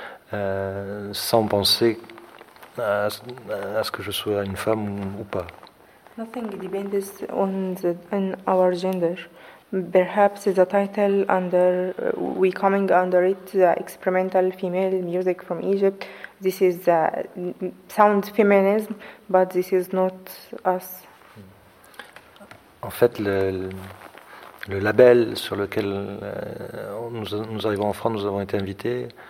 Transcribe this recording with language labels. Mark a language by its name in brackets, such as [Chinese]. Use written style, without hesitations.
[French] Sans penser à ce que je sois une femme ou pas. [English] Nothing depends on the, in our gender. Perhaps the title under we coming under it, the experimental female music from Egypt. This is sound feminism, but this is not us. [French] En fait, le label sur lequel nous arrivons en France, nous avons été invités.